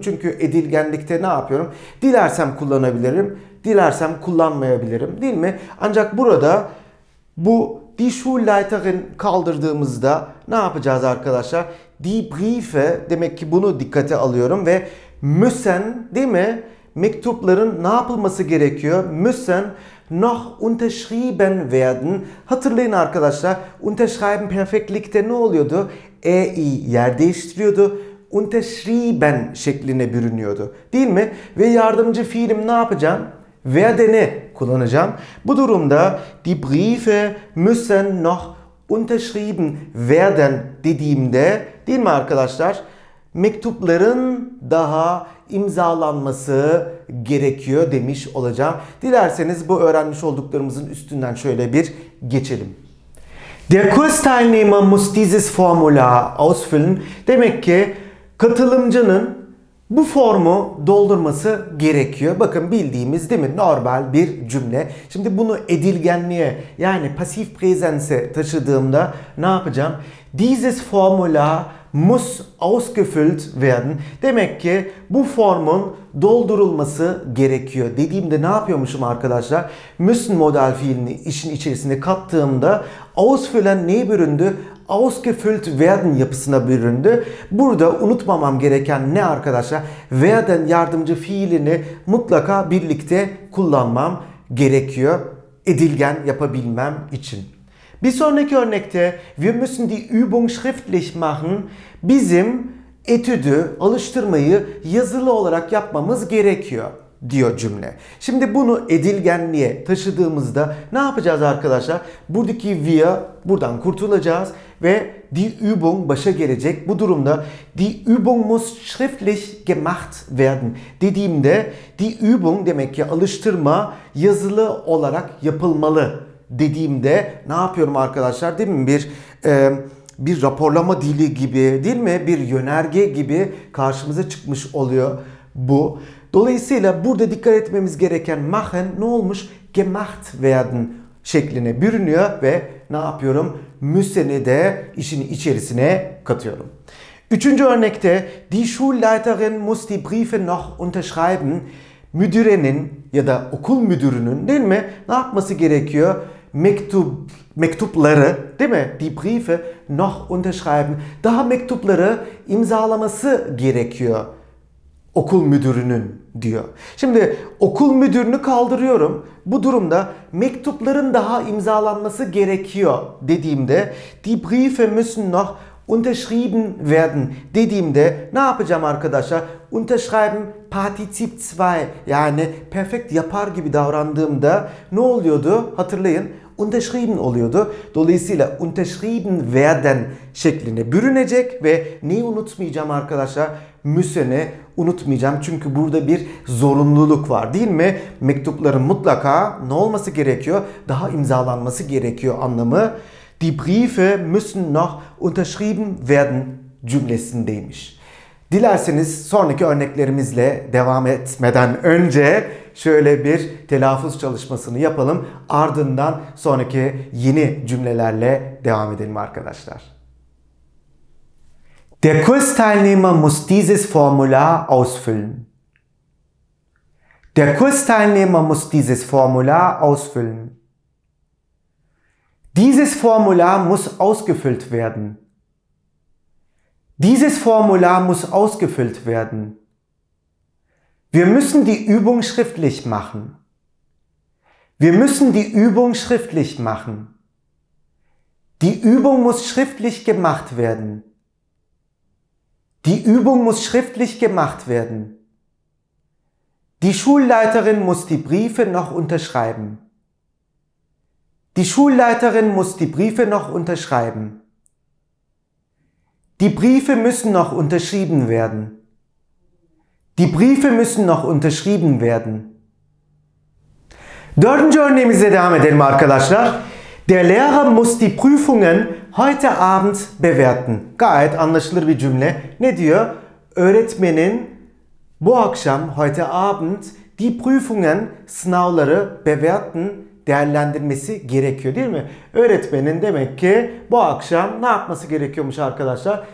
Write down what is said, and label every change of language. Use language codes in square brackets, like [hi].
[tr] Çünkü edilgenlikte ne yapıyorum? Dilersem kullanabilirim, dilersem kullanmayabilirim değil mi? Ancak burada bu [de] die Schulleiterin [tr] kaldırdığımızda ne yapacağız arkadaşlar? [de] Die Briefe, [tr] demek ki bunu dikkate alıyorum ve müssen değil mi? Mektupların ne yapılması gerekiyor? [de] Müssen noch unterschrieben werden. [tr] Hatırlayın arkadaşlar, unterschreiben perfektlikte ne oluyordu? E-i yer değiştiriyordu. Unterschrieben şekline bürünüyordu. Değil mi? Ve yardımcı fiilim ne yapacağım? Werden'i kullanacağım. Bu durumda [de] die Briefe müssen noch unterschrieben werden [tr] dediğimde, değil mi arkadaşlar? Mektupların daha imzalanması gerekiyor demiş olacağım. Dilerseniz bu öğrenmiş olduklarımızın üstünden şöyle bir geçelim. [de] Der Kursteilnehmer muss dieses Formular ausfüllen. [tr] Demek ki katılımcının bu formu doldurması gerekiyor. Bakın bildiğimiz değil mi? Normal bir cümle. Şimdi bunu edilgenliğe, yani pasif präsense taşıdığımda ne yapacağım? [de] Dieses Formular muss ausgefüllt werden. [tr] Demek ki bu formun doldurulması gerekiyor. Dediğimde ne yapıyormuşum arkadaşlar? Müssen modal fiilini işin içerisine kattığımda ausfüllen neye büründü? [de] Ausgefüllt werden [tr] yapısına büründü. Burada unutmamam gereken ne arkadaşlar? Werden yardımcı fiilini mutlaka birlikte kullanmam gerekiyor. Edilgen yapabilmem için. Bir sonraki örnekte [de] wir müssen die Übung schriftlich machen. [tr] Bizim etüdü, alıştırmayı yazılı olarak yapmamız gerekiyor diyor cümle. Şimdi bunu edilgenliğe taşıdığımızda ne yapacağız arkadaşlar? Buradaki wir, buradan kurtulacağız ve [de] die Übung [tr] başa gelecek. Bu durumda [de] die Übung muss schriftlich gemacht werden [tr] dediğimde die Übung, demek ki alıştırma, yazılı olarak yapılmalı dediğimde ne yapıyorum arkadaşlar değil mi? Bir raporlama dili gibi değil mi? Bir yönerge gibi karşımıza çıkmış oluyor bu. Dolayısıyla burada dikkat etmemiz gereken machen ne olmuş? [de] Gemacht werden [tr] şekline bürünüyor ve ne yapıyorum? Müsseni de işin içerisine katıyorum. Üçüncü örnekte [de] die Schulleiterin muss die Briefe noch unterschreiben. [tr] Müdürenin ya da okul müdürünün değil mi? Ne yapması gerekiyor? Mektupları değil mi? [de] Die Briefe noch unterschreiben. [tr] Daha mektupları imzalaması gerekiyor okul müdürünün diyor. Şimdi okul müdürünü kaldırıyorum. Bu durumda mektupların daha imzalanması gerekiyor dediğimde [de] die Briefe müssen noch unterschrieben werden [tr] dediğimde ne yapacağım arkadaşlar? Unterschreiben Partizip 2, yani perfekt yapar gibi davrandığımda ne oluyordu? Hatırlayın, unterschrieben oluyordu. Dolayısıyla [de] unterschrieben werden [tr] şekline bürünecek ve neyi unutmayacağım arkadaşlar? Müsseni unutmayacağım. Çünkü burada bir zorunluluk var değil mi? Mektupların mutlaka ne olması gerekiyor? Daha imzalanması gerekiyor anlamı. [de] Die Briefe müssen noch unterschrieben werden [tr] cümlesindeymiş. Dilerseniz sonraki örneklerimizle devam etmeden önce şöyle bir telaffuz çalışmasını yapalım. Ardından sonraki yeni cümlelerle devam edelim arkadaşlar. [de] Der Kursteilnehmer muss dieses Formular ausfüllen. Der Kursteilnehmer muss dieses Formular ausfüllen. Dieses Formular muss ausgefüllt werden. Dieses Formular muss ausgefüllt werden. Wir müssen die Übung schriftlich machen. Wir müssen die Übung schriftlich machen. Die Übung muss schriftlich gemacht werden. Die Übung muss schriftlich gemacht werden. Die Schulleiterin muss die Briefe noch unterschreiben. Die Schulleiterin muss die Briefe noch unterschreiben. Die Briefe müssen noch unterschrieben werden. Die Briefe müssen noch unterschrieben werden. [tr] Dördüncü örneğimize devam edelim arkadaşlar. [de] Der Lehrer muss die Prüfungen heute Abend bewerten. [tr] Gayet anlaşılır bir cümle. Ne diyor? Öğretmenin bu akşam, [de] heute Abend die Prüfungen, [tr] sınavları bewerten, değerlendirmesi gerekiyor değil mi? Öğretmenin demek ki bu akşam ne yapması gerekiyormuş arkadaşlar?